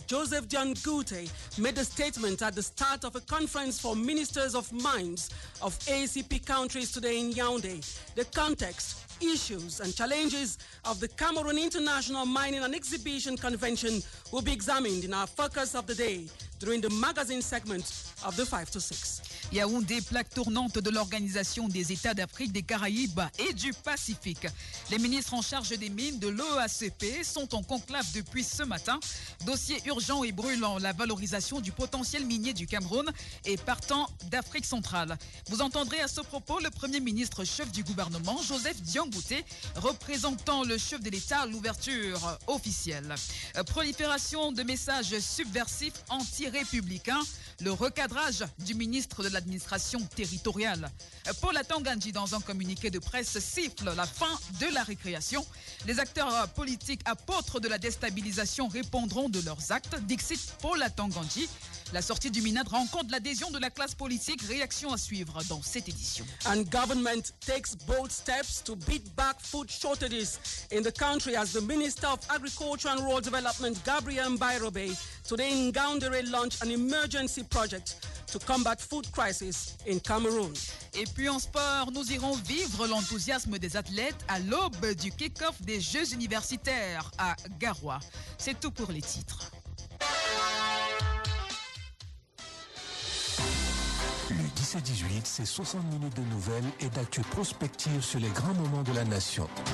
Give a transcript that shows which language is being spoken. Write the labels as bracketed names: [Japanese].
[English] Joseph Diangute made a statement at the start of a conference for ministers of mines of ACP countries today in Yaoundé. The context, issues and challenges of the Cameroon International Mining and Exhibition Convention will be examined in our focus of the day during the magazine segment of the 5 to 6. [French] Yaoundé, plaque tournante de l'Organisation des États d'Afrique, des Caraïbes et du Pacifique. Les ministres en charge des mines de l'OACP sont en conclave depuis ce matin. Dossier urgent et brûlant, la valorisation du potentiel minier du Cameroun et partant d'Afrique centrale. Vous entendrez à ce propos le premier ministre chef du gouvernement, Joseph Diangouté, représentant le chef de l'État à l'ouverture officielle. Prolifération de messages subversifs anti-républicains, le recadrage du ministre de l'administration territoriale. Paul Atanganji, dans un communiqué de presse, siffle la fin de la récréation. Les acteurs politiques apôtres de la déstabilisation répondront de leurs actes, dixit Paul Atanganji. La sortie du Minad rencontre l'adhésion de la classe politique. Réaction à suivre dans cette édition. [English] And government takes bold steps to beat back food shortages in the country as the Minister of Agriculture and Rural Development, Gabriel Mbairobe, today in Ngaoundéré launched an emergency project to combat food crisis in Cameroon. [French] Et puis en sport, nous irons vivre l'enthousiasme des athlètes à l'aube du kick-off des Jeux universitaires à Garoua. C'est tout pour les titres. Le 17-18, c'est 60 minutes de nouvelles et d'actu prospective sur les grands moments de la nation.